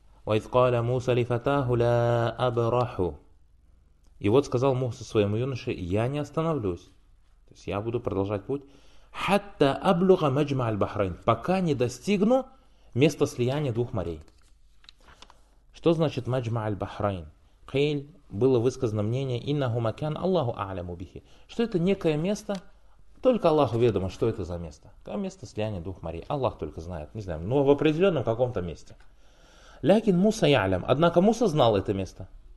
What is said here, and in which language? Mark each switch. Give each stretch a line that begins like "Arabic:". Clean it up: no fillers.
Arabic: وَإِذْ قَالَ مُوسَ لِفَتَاهُ لَا أَبْرَحُ.
Russian: И вот сказал Муса своему юноше, я не остановлюсь. То есть я буду продолжать путь.
Arabic: حَتَّى أَبْلُغَ مَجْمَعَ الْبَحْرَيْنِ.
Russian: Пока не достигну места слияния двух морей. Что значит
Arabic: مَجْمَعَ الْبَحْرَيْنِ? قِيلَ,
Russian: было высказано мнение,
Arabic: إِنَّهُ مَكَانَ أَلَّهُ أَعْلَمُ بِهِ.
Russian: Что это некое место, только Аллаху ведомо, что это за место. Как место слияния двух морей. Аллах только знает. Не знаю. Но в определенном каком-то месте.
Arabic: Лякин Муса ялям.
Russian: Однако Муса знал это место.